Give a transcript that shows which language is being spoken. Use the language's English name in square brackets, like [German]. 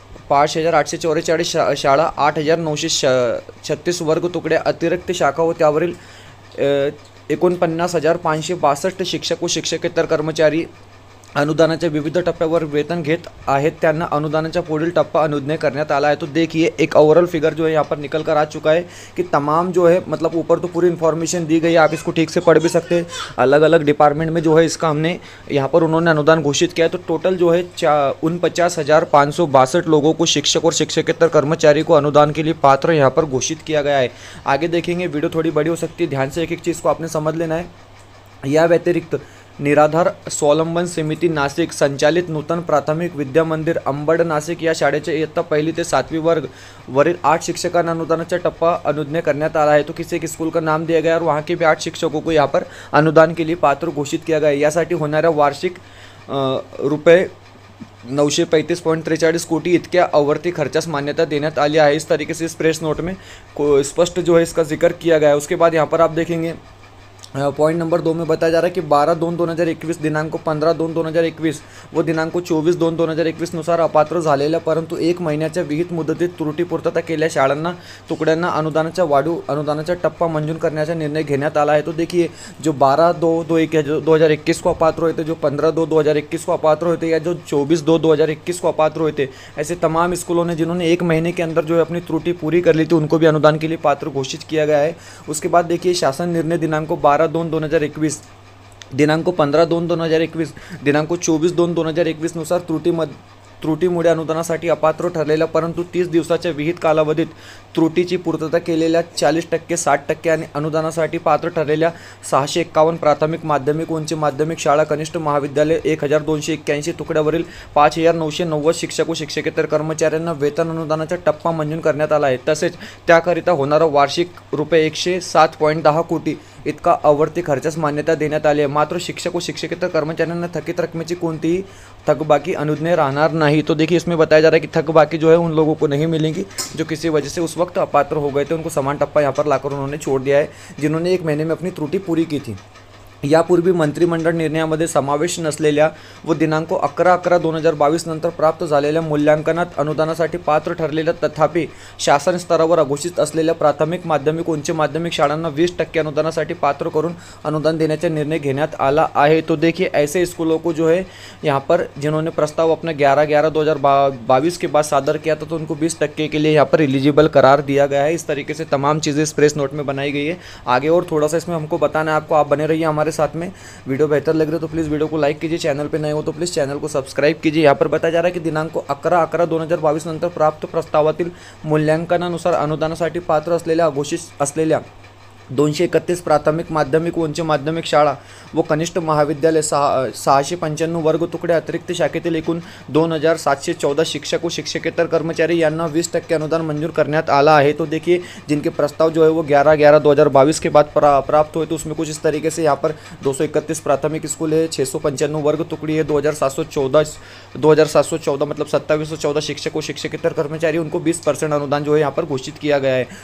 [Marathi] 5844 शाळा, 8936 वर्ग तुकडे अतिरिक्त शाखा व त्यावरील 49562 शिक्षक व शिक्षकेतर कर्मचारी अनुदानाच्या विविध टप्प्यावर वेतन घेत आहेत, त्यांना अनुदानाच्या पुढील टप्पा अनुज्ञेय करण्यात आला आहे। [Hindi] तो देखिए, एक ओवरऑल फिगर जो है यहाँ पर निकल कर आ चुका है कि तमाम जो है, मतलब ऊपर तो पूरी इन्फॉर्मेशन दी गई है, आप इसको ठीक से पढ़ भी सकते हैं। अलग अलग डिपार्टमेंट में जो है इसका हमने यहाँ पर उन्होंने अनुदान घोषित किया है, तो टोटल जो है 49562 लोगों को, शिक्षक और शिक्षकेतर कर्मचारी को अनुदान के लिए पात्र यहाँ पर घोषित किया गया है। आगे देखेंगे, वीडियो थोड़ी बड़ी हो सकती है, ध्यान से एक एक चीज़ को आपने समझ लेना है। यह व्यतिरिक्त [Marathi] निराधार स्वावलंबन समिति नासिक संचालित नूतन प्राथमिक विद्या मंदिर अंबड नासिक या शाळेचे इयत्ता पहिली ते सातवी वर्ग वरील आठ शिक्षकांना अनुदानाचा टप्पा अनुज्ञ करण्यात आला आहे। [Hindi] तो किसी एक स्कूल का नाम दिया गया और वहाँ के भी आठ शिक्षकों को यहाँ पर अनुदान के लिए पात्र घोषित किया गया। [Marathi] यासाठी होणाऱ्या वार्षिक रुपये 935.43 कोटी इतक्या आवर्ती खर्चास मान्यता देण्यात आली आहे। [Hindi] इस तरीके से इस प्रेस नोट में स्पष्ट जो है इसका जिक्र किया गया है। उसके बाद यहाँ पर आप देखेंगे पॉइंट नंबर दो में बताया जा रहा है कि [Marathi] 12/2/2021 दिनांक को 15/2/2021 वो दिनांक को 24/2/2021 नुसार अपात्र झालेल्या परंतु एक महिन्याच्या विहित मुदतीत त्रुटी पूर्तता केल्या शाळांना तुकड्यांना अनुदानाचा वाढू अनुदानाचा टप्पा मंजूर करण्याचा निर्णय घेण्यात आला आहे। [Hindi] तो देखिए जो 12/2/2021 को अपात्र होते, जो 15/2/2021 को अपात्र होते, या जो 24/2/2021 को अपात्र होते, ऐसे तमाम स्कूलों ने जिन्होंने एक महीने के अंदर जो है अपनी त्रुटि पूरी कर ली थी उनको भी अनुदान के लिए पात्र घोषित किया गया है। उसके बाद देखिए [Marathi] शासन निर्णय दिनांक को 12/2/2021 दिनांक को 15/2/2021 दिनांक को 24/2/2021 नुसार त्रुटीमुळे अनुदानासाठी अपात्र ठरलेल्या परंतु 30 दिवसाच्या विहित कालावधीत त्रुटीची पूर्तता केलेल्या 40%, 60% आणि अनुदानासाठी पात्र ठरलेल्या 651 प्राथमिक माध्यमिक उंच माध्यमिक शाळा कनिष्ठ महाविद्यालय 1281 तुकड्यावरील 5,990 शिक्षक व शिक्षकेतर कर्मचाऱ्यांना वेतन अनुदानाचा टप्पा मंजूर करण्यात आला आहे। तसेच त्याकरिता होणारा वार्षिक रुपये 107.10 कोटी इतका आवर्ती खर्चास मान्यता देण्यात आली आहे। मात्र शिक्षक व शिक्षकेतर कर्मचाऱ्यांना थकित रकमेची कोणतीही थकबाकी अनुज्ञेय राहणार नाही। [Hindi] तो देखिए इसमें बताया जा रहा है कि थकबाकी जो है उन लोगों को नहीं मिलेंगी जो किसी वजह से उस वक्त अपात्र हो गए थे, उनको समान टप्पा यहाँ पर लाकर उन्होंने छोड़ दिया है जिन्होंने एक महीने में अपनी त्रुटि पूरी की थी। [Marathi] यापूर्वी मंत्रिमंडळ निर्णयामध्ये समावेश नसलेल्या व दिनांक 11/11/2022 नंतर प्राप्त झालेल्या मूल्यांकनात अनुदानासाठी पात्र ठरलेल्या तथापि शासन स्तरावर अघोषित असलेल्या प्राथमिक माध्यमिक उंच माध्यमिक शाळांना 20% अनुदानासाठी पात्र करून अनुदान देण्याचा निर्णय घेण्यात आला आहे। [Hindi] तो देखिए ऐसे स्कूलों को जो है यहाँ पर जिन्होंने प्रस्ताव अपने 11/11/2022 के बाद सादर किया था तो उनको 20% के लिए यहाँ पर एलिजिबल करार दिया गया है। इस तरीके से तमाम चीज़ें इस प्रेस नोट में बनाई गई है। आगे और थोड़ा सा इसमें हमको बताना है आपको, आप बने रहिए हमारे साथ में। वीडियो बेहतर लग रहा है तो प्लीज वीडियो को लाइक कीजिए, चैनल पे नए हो तो प्लीज चैनल को सब्सक्राइब कीजिए। यहां पर बताया जा रहा है कि [Marathi] दिनांक 11/11/2022 नंतर प्राप्त प्रस्तावातील मूल्यांकनानुसार अनुदानासाठी पात्र असलेल्या अघोषित असलेल्या 231 प्राथमिक माध्यमिक उंच माध्यमिक शाळा व कनिष्ठ महाविद्यालय 695 वर्ग तुकडे अतिरिक्त शाखेतील एकूण 2714 शिक्षक व शिक्षकेतर कर्मचारी यांना 20% अनुदान मंजूर करण्यात आला आहे। [Hindi] तो देखिए जिनके प्रस्ताव जो है वो 11/11/2022 के बाद प्राप्त हुए तो उसमें कुछ इस तरीके से यहाँ पर 231 प्राथमिक स्कूल है, 695 वर्ग तुकड़ी है, 2714 शिक्षक व शिक्षकेतर कर्मचारी उनको 20% अनुदान जो है यहाँ पर घोषित किया गया है।